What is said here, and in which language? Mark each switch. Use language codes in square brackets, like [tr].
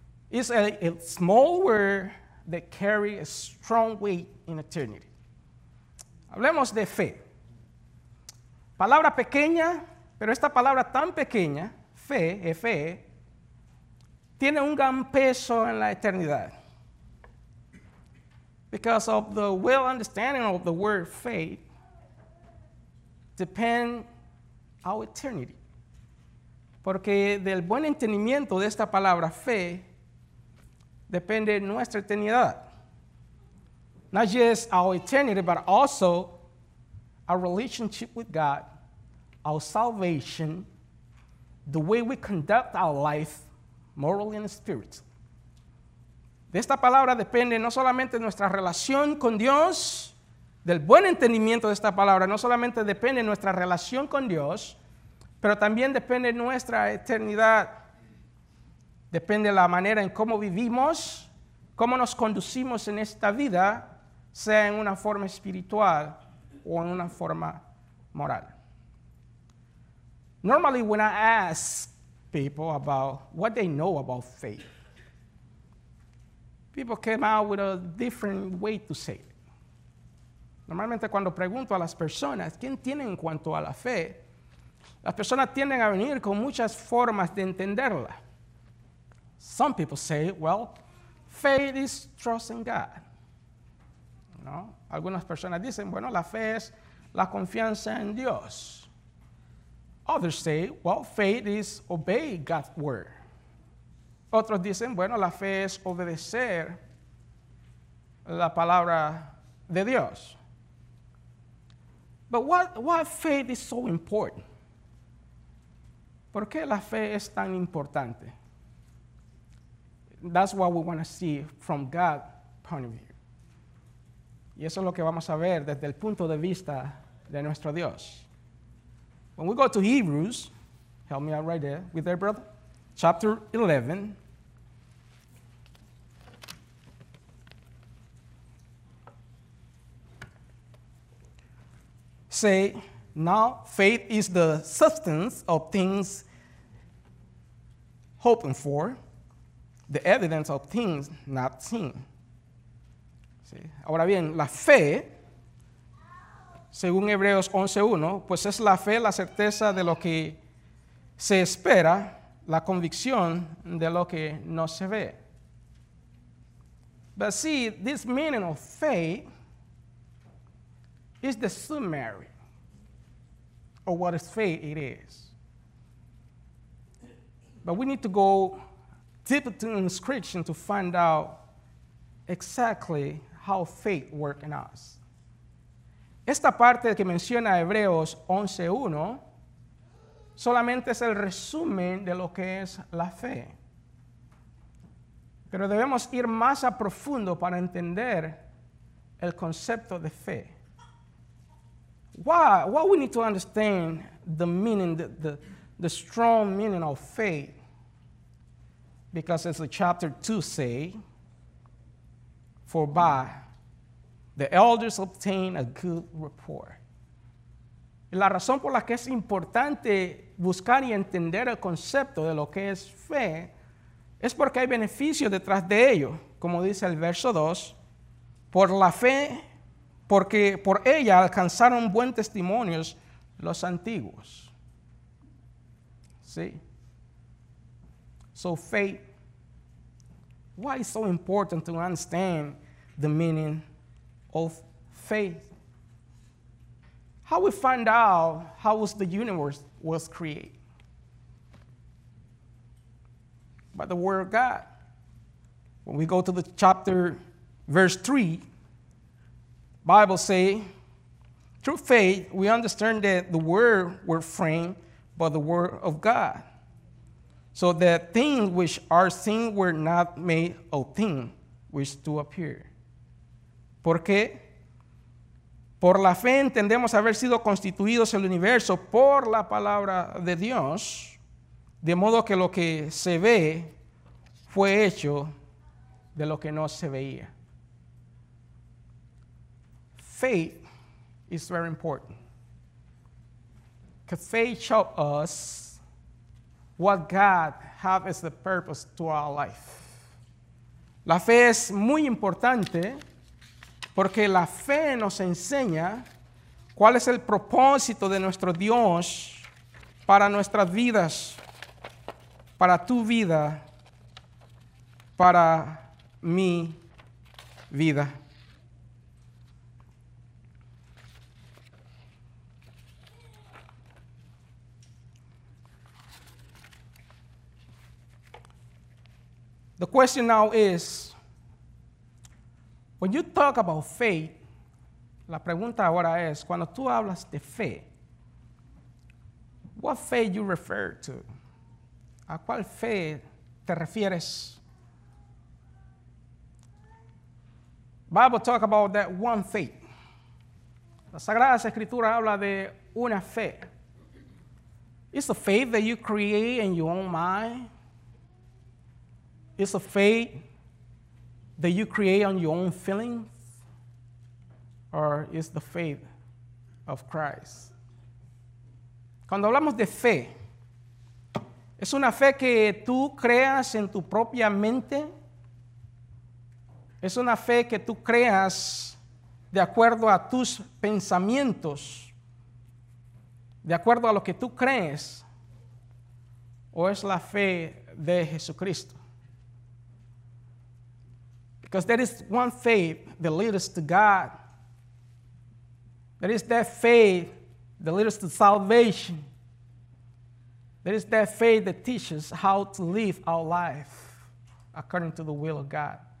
[en] It's a small word that carries a strong weight in eternity. [es] Hablemos de fe. Palabra pequeña, pero esta palabra tan pequeña, fe, F-E, tiene un gran peso en la eternidad. [en] Because of the well understanding of the word faith depend our eternity. [es] Porque del buen entendimiento de esta palabra fe depende nuestra eternidad. [en] Not just our eternity, but also our relationship with God, our salvation, the way we conduct our life morally and spiritually. [es] De esta palabra depende no solamente nuestra relación con Dios, del buen entendimiento de esta palabra, no solamente depende nuestra relación con Dios, pero también depende nuestra eternidad. Depende la manera en cómo vivimos, cómo nos conducimos en esta vida, sea en una forma espiritual o en una forma moral. [en] Normally, when I ask people about what they know about faith, people came out with a different way to say it. [es] Normalmente cuando pregunto a las personas, ¿quién tienen en cuanto a la fe? Las personas tienden a venir con muchas formas de entenderla. [en] Some people say, well, faith is trust in God. [es] ¿No? Algunas personas dicen, bueno, la fe es la confianza en Dios. [en] Others say, well, faith is obey God's word. [es] Otros dicen, bueno, la fe es obedecer la palabra de Dios. [en] But why faith is so important? [es] ¿Por qué la fe es tan importante? [en] That's what we want to see from God's point of view. [es] Y eso es lo que vamos a ver desde el punto de vista de nuestro Dios. [en] When we go to Hebrews, help me out right there with their brother, chapter 11. Say, now faith is the substance of things hoped for, the evidence of things not seen. [es] ¿Sí? Ahora bien, la fe, según Hebreos 11:1, pues es la fe, la certeza de lo que se espera, la convicción de lo que no se ve. [en] But see, this meaning of faith is the summary. Or what is faith it is. But we need to go deep into the scripture to find out exactly how faith works in us. [es] Esta parte que menciona Hebreos 11:1 solamente es el resumen de lo que es la fe. Pero debemos ir más a profundo para entender el concepto de fe. [en] Why we need to understand the meaning, the strong meaning of faith? Because as the chapter 2 say, for by the elders obtain a good report. [es] Y la razón por la que es importante buscar y entender el concepto de lo que es fe es porque hay beneficio detrás de ello. Como dice el verso 2, por la fe, porque por ella alcanzaron buen testimonio los antiguos. [en] See? So faith, why is it so important to understand the meaning of faith? How we find out how was the universe was created? By the word of God. When we go to the chapter, verse 3, Bible say, through faith, we understand that the word were framed by the word of God, so that things which are seen were not made of things which do appear. [es] ¿Por qué? Por la fe entendemos haber sido constituidos el universo por la palabra de Dios, de modo que lo que se ve fue hecho de lo que no se veía. [en] Faith is very important. Because faith shows us what God has as the purpose to our life. [es] La fe es muy importante porque la fe nos enseña cuál es el propósito de nuestro Dios para nuestras vidas, para tu vida, para mi vida. [en] The question now is, when you talk about faith, [es] la pregunta ahora es, cuando tú hablas de fe, [en] what faith you refer to? [es] ¿A cuál fe te refieres? [en] Bible talk about that one faith. [es] La Sagrada Escritura habla de una fe. [en] It's a faith that you create in your own mind. It's a faith that you create on your own feelings. Or it's the faith of Christ. [es] Cuando hablamos de fe, es una fe que tú creas en tu propia mente. Es una fe que tú creas de acuerdo a tus pensamientos, de acuerdo a lo que tú crees, o es la fe de Jesucristo. [en] Because there is one faith that leads us to God. There is that faith that leads us to salvation. There is that faith that teaches how to live our life according to the will of God.